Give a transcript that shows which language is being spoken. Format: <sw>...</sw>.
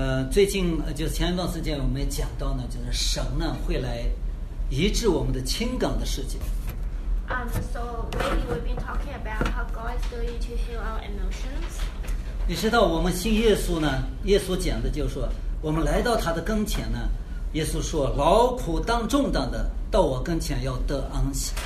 <zh>最近就是前一段时间我们也讲到呢，就是神呢会来医治我们的青梗的事情。</zh> <en>So lately we've been talking about how God is going to heal our emotions.</en> <zh>你知道我们信耶稣呢？耶稣讲的就是说，我们来到他的跟前呢，耶稣说，劳苦当重担的到我跟前要得安息。</zh>